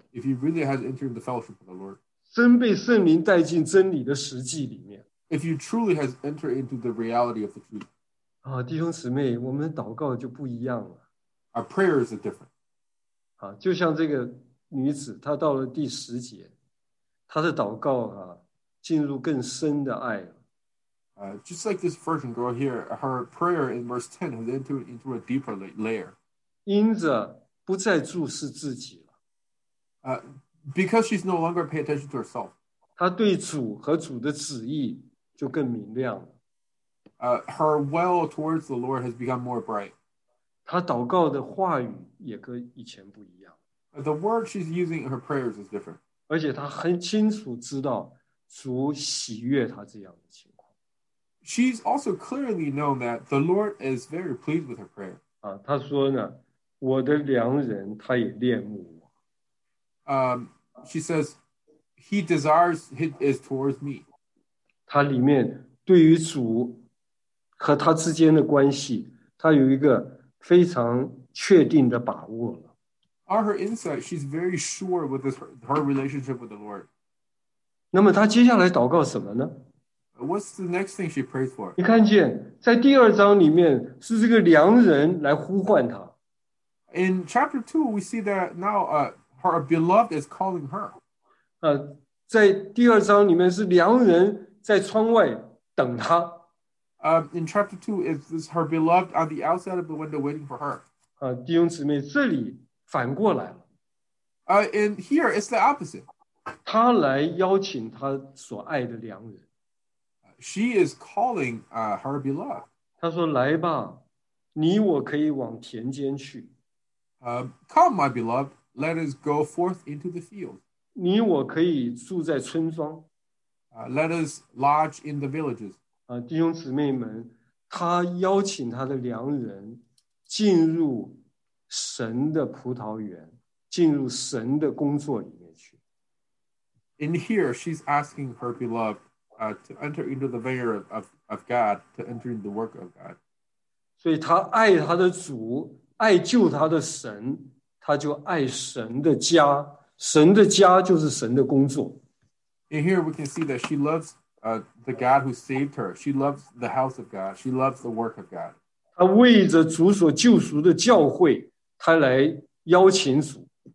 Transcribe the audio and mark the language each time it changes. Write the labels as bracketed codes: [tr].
[en] if you really have entered the fellowship of the Lord, [zh] 真被圣灵带进真理的实际里面, [en] if you truly have entered into the reality of the truth, [zh] 啊, 弟兄姊妹, 我们祷告就不一样了, [en] our prayers are different. [zh] 啊, 就像这个女子, 她到了第十节, 她的祷告啊进入更深的爱。 [en] Just like this virgin girl here, her prayer in verse 10 has entered into a deeper layer. [zh] 因着不再注视自己了。 [en] Because she's no longer paying attention to herself. [zh] 她对主和主的旨意就更明亮了。 [en] Her well towards the Lord has become more bright. [zh] 她祷告的话语也跟以前不一样。 [en] The word she's using in her prayers is different. [zh] 而且她很清楚知道主喜悦他这样的情况。 [en] She's also clearly known that the Lord is very pleased with her prayer. [zh] 啊，他说呢，我的良人他也恋慕我。 [en] She says he desires he is towards me. [zh] 他里面对于主和他之间的关系，他有一个非常确定的把握了。 [en] On her inside, she's very sure with her relationship with the Lord. [zh] 那么他接下来祷告什么呢 [en] ？What's the next thing she prays for？ [zh] 你看见在第二章里面是这个良人来呼唤他。 [en] In chapter two, we see that now, her beloved is calling her. [zh] 在第二章里面是良人在窗外等他。 [en] In chapter two, is her beloved on the outside of the window waiting for her？ [zh] 弟兄姊妹，这里反过来了。 [en] And here it's the opposite. [zh] 他来邀请他所爱的良人。 [en] She is calling her beloved. [zh] 他说来吧，你我可以往田间去。 [en] Come, my beloved, let us go forth into the field. [zh] 你我可以住在村庄。 [en] Let us lodge in the villages. [zh] 弟兄姊妹们，他邀请他的良人进入神的葡萄园，进入神的工作里面去。 [en] In here, she's asking her beloved to enter into the vineyard of God, to enter into the work of God. [zh] 所以她爱她的主，爱救他的神，他就爱神的家，神的家就是神的工作。 [en] And here we can see that she loves the God who saved her. She loves the house of God. She loves the work of God. [zh] 她为着主所救赎的教会，她来邀请主。